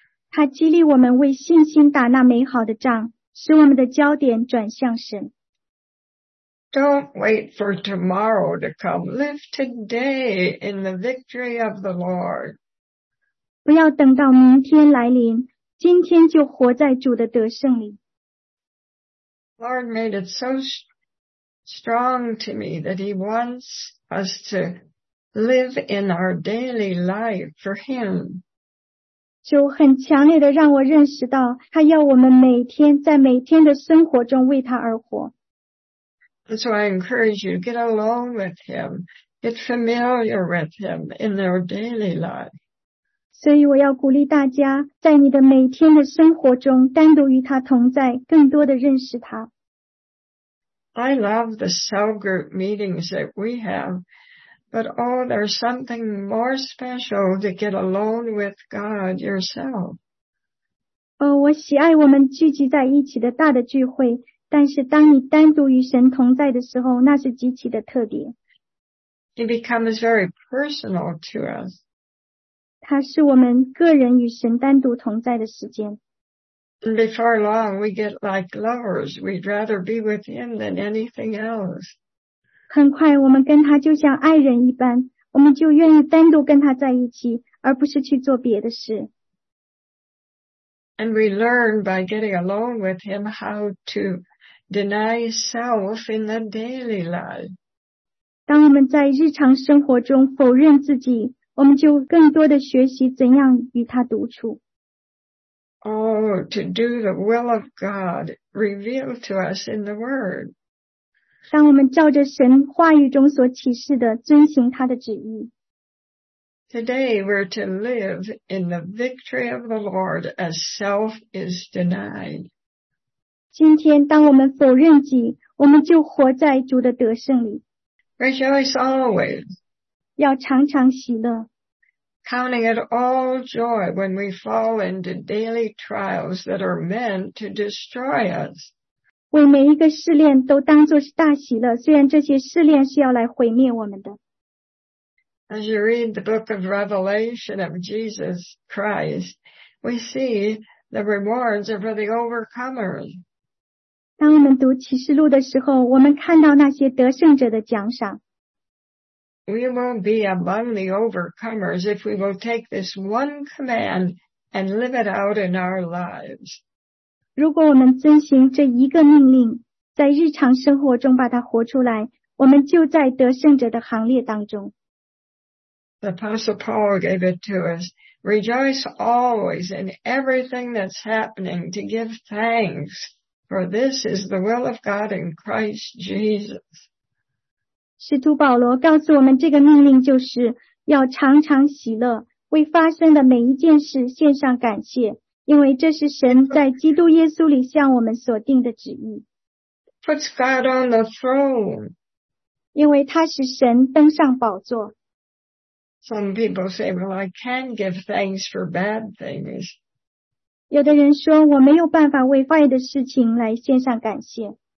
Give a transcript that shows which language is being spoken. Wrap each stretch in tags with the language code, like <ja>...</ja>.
<zh>他激励我们为信心打那美好的仗，使我们的焦点转向神。</zh> <en>Don't wait for tomorrow to come. Live today in the victory of the Lord.</en> <zh>不要等到明天来临，今天就活在主的得胜里。</zh> <en>Lord made it so strong to me that he wants us to live in our daily life for him.</en> <zh>就很强烈地让我认识到他要我们每天在每天的生活中为他而活。</zh> <en>And so I encourage you to get alone with him, get familiar with him in their daily life.</en> <zh>所以我要鼓励大家在你的每天的生活中单独与他同在，更多地认识他。</zh> <en>I love the cell group meetings that we have, but oh, there's something more special to get alone with God yourself.</en> <zh>Oh, 我喜爱我们聚集在一起的大的聚会，但是当你单独与神同在的时候，那是极其的特别。</zh> <en>It becomes very personal to us.</en> <zh>它是我们个人与神单独同在的时间。</zh> <en>Before long, we get like lovers. We'd rather be with him than anything else.</en> <zh>很快我们跟他就像爱人一般，我们就愿意单独跟他在一起，而不是去做别的事。</zh> <en>And we learn by getting alone with him how to deny self in the daily life.</en> <zh>当我们在日常生活中否认自己，我们就更多地学习怎样与他独处。</zh> <en>Oh, to do the will of God revealed to us in the Word.</en> <zh>当我们照着神话语中所启示的遵行他的旨意。</zh> <en>Today we're to live in the victory of the Lord as self is denied.</en> <zh>今天当我们否认己，我们就活在主的得胜里。</zh> <en>Rejoice always.</en> <zh>要常常喜乐。</zh> <en>Counting it all joy when we fall into daily trials that are meant to destroy us.</en> <zh>为每一个试炼都当作是大喜乐，虽然这些试炼是要来毁灭我们的。</zh> <en>As you read the book of Revelation of Jesus Christ, we see the rewards are for the overcomers.</en> <zh>当我们读启示录的时候，我们看到那些得胜者的奖赏。</zh> <en>We will be among the overcomers if we will take this one command and live it out in our lives.</en> <zh>如果我们遵行这一个命令，在日常生活中把它活出来，我们就在得胜者的行列当中。</zh> <en>The Apostle Paul gave it to us. Rejoice always in everything that's happening to give thanks, for this is the will of God in Christ Jesus.</en> <zh>使徒保罗告诉我们，这个命令就是要常常喜乐，为发生的每一件事献上感谢，因为这是神在基督耶稣里向我们所定的旨意。</zh> <en>Puts God on the throne.</en> <zh>因为他使神登上宝座。</zh> <en>Some people say, well, I can give thanks for bad things.</en> <zh>有的人说我没有办法为坏的事情来献上感谢。</zh>